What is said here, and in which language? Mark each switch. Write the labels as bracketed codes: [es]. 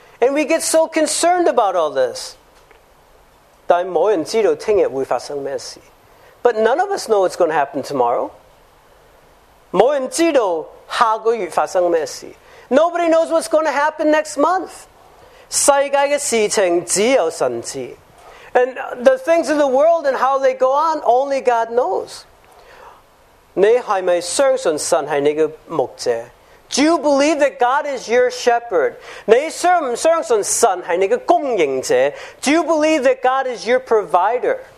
[en] And we get so concerned about all this. [zh] 但没人知道明天会发生什么事。 [en] But none of us know what's going to happen tomorrow. [zh] 没人知道下个月发生什么事。 [en] Nobody knows what's going to happen next month. [zh] 世界的事情只有神知。 [en] And the things of the world and how they go on, only God knows. [zh] 你是不是相信神是你的牧者？ [en] Do you believe that God is your shepherd? [zh] 你是不是相信神是你的供应者？ [en] Do you believe that God is your provider?